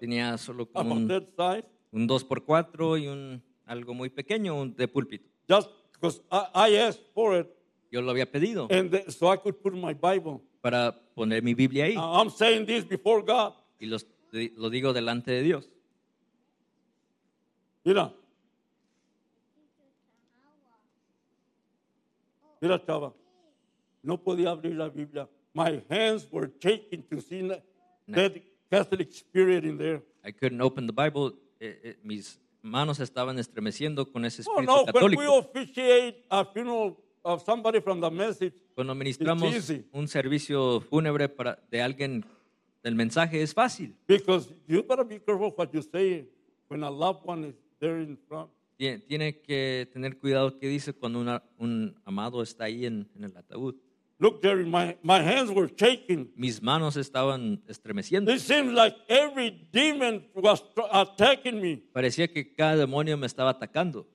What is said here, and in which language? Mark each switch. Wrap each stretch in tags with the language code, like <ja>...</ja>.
<es>Tenía solo como</es> <en>about that size.</en> <es>Un 2x4 y un algo muy pequeño, un de púlpito.</es> <en>Just because I asked for it.</en> <es>Yo lo había pedido.</es> <en>And so I could put my Bible.</en> <es>Para poner mi Biblia ahí.</es> <en>I'm saying this before God.</en> <es>Y lo digo delante de Dios. Mira, chava. No podía abrir la Biblia.</es> <en>My hands were shaking to see that Catholic spirit in there. I couldn't open the Bible.</en> <es>Mis manos estaban estremeciendo con ese espíritu católico.</es> <en>When we officiate a funeral of somebody from the message,</en> <es>cuando ministramos un servicio fúnebre para de alguien del mensaje, es fácil.</es> <en>Because you better be careful what you say when a loved one is there in front.</en> <es>Tiene que tener cuidado qué dice cuando un amado está ahí en el ataúd.</es> <en>Look, Jerry, my hands were shaking.</en> <es>Mis manos estaban estremeciendo.</es> <en>It seemed like every demon was attacking me.</en> <es>Parecía que cada demonio me estaba atacando.</es>